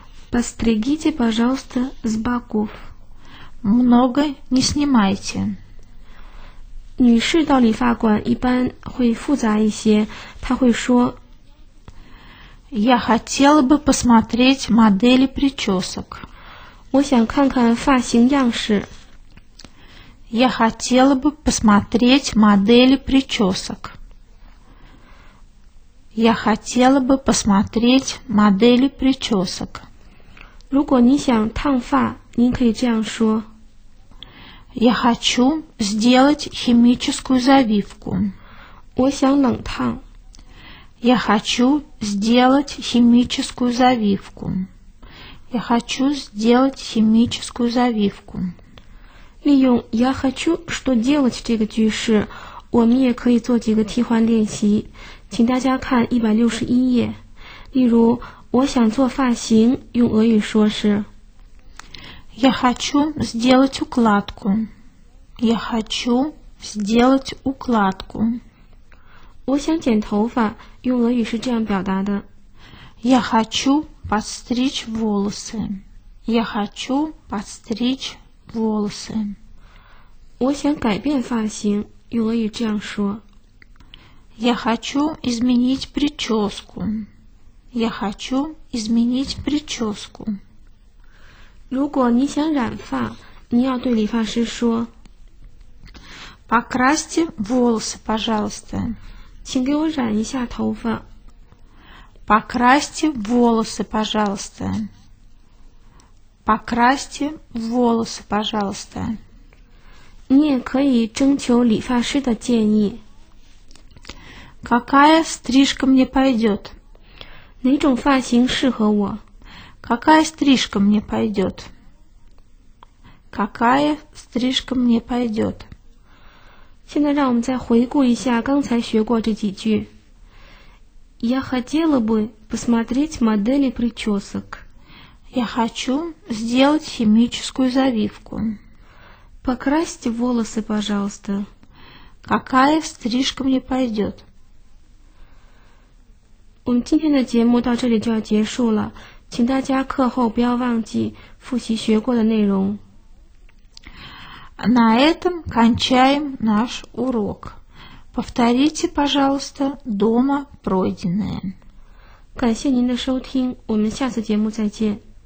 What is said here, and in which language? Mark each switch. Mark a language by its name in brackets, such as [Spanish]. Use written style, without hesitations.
[Russian] Подстригите, пожалуйста, с боков. Много не снимайте. [Chinese] 女士到理发馆一般会复杂一些，她会说 [Russian] Я хотела бы посмотреть модели причесок. [Chinese] 我想看看发型样式。 [Russian] Я хотела бы посмотреть модели причесок. Я хотела бы посмотреть модели причесок. [Chinese] 如果你想烫发，您可以这样说。 [Russian] Я хочу сделать химическую завивку. [Chinese] 我想冷烫。 [Russian] Я хочу сделать химическую завивку. Я хочу сделать химическую завивку. [Chinese] 利用 [Russian] я хочу, что делать [Chinese] 这个句式，我们也可以做几个替换练习，请大家看161页。例如，我想做发型，用俄语说是 [Russian] я хочу сделать укладку. Я хочу сделать укладку. [Chinese] 我想剪头发，用俄语是这样表达的 [Russian] я хочу подстричь волосы. Я хочу подстричь волосы. [Chinese] 我想改变发型，用俄语这样说。 [Russian] Я хочу изменить прическу. Я хочу изменить прическу. [Chinese] 如果你想染发，你要对理发师说。 [Russian] Покрасьте волосы, пожалуйста. [Chinese] 请给我染一下头发。 [Russian] Покрасьте волосы, пожалуйста. Покрасьте волосы, пожалуйста. [Chinese] 你也可以征求理发师的建议。 [Russian] Какая стрижка мне пойдет? [Chinese] 哪种发型适合我? [Russian] Какая стрижка мне пойдет? Какая стрижка мне пойдет? [Chinese] 现在让我们再回顾一下刚才学过这几句。 [Russian] Я хотела бы посмотреть модели причесок. Я хочу сделать химическую завивку. Покрасьте волосы, пожалуйста. Какая стрижка мне пойдет? [Chinese] 我们今天的节目到这里就要结束了，请大家课后不要忘记复习学过的内容。 [Russian] На этом кончаем наш урок. Повторите, пожалуйста, дома пройденное. [Chinese] 感谢您的收听，我们下次节目再见。